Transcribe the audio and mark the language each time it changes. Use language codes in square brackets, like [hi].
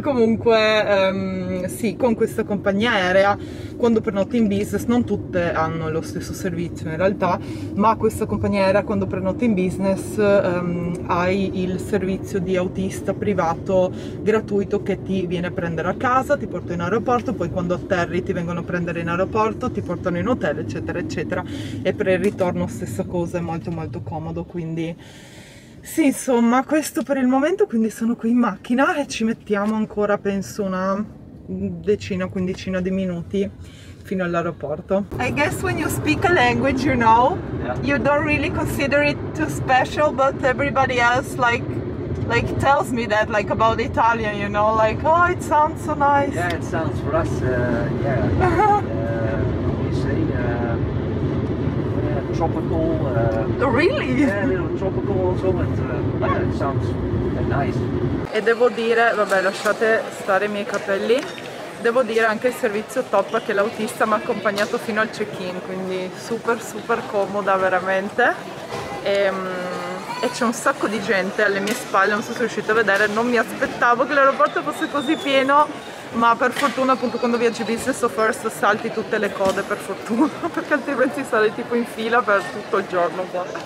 [it] Comunque, sì, con questa compagnia aerea, quando prenoti in business, non tutte hanno lo stesso servizio in realtà, ma questa compagnia aerea, quando prenoti in business, hai il servizio di autista privato gratuito che ti viene a prendere a casa, ti porta in aeroporto, poi quando atterri ti vengono a prendere in aeroporto, ti portano in hotel, eccetera, eccetera. E per il ritorno stessa cosa, è molto molto comodo, quindi. Sì, insomma, questo per il momento, quindi sono qui in macchina e ci mettiamo ancora, penso, una decina, quindicina di minuti fino all'aeroporto. [en] I guess when you speak a language, you know, you don't really consider it too special, but everybody else like tells me that, like about Italian, you know, like, oh, it sounds so nice. Yeah, it sounds for us, we say, tropical. Really? Yeah, you know, tropical also, but yeah, it sounds nice. [it] E devo dire, vabbè, lasciate stare i miei capelli. Devo dire anche il servizio top, che l'autista mi ha accompagnato fino al check-in, quindi super super comoda veramente. E c'è un sacco di gente alle mie spalle, non so se riuscite a vedere, non mi aspettavo che l'aeroporto fosse così pieno, ma per fortuna appunto quando viaggi business o first salti tutte le code, per fortuna, perché altrimenti sarei tipo in fila per tutto il giorno qua.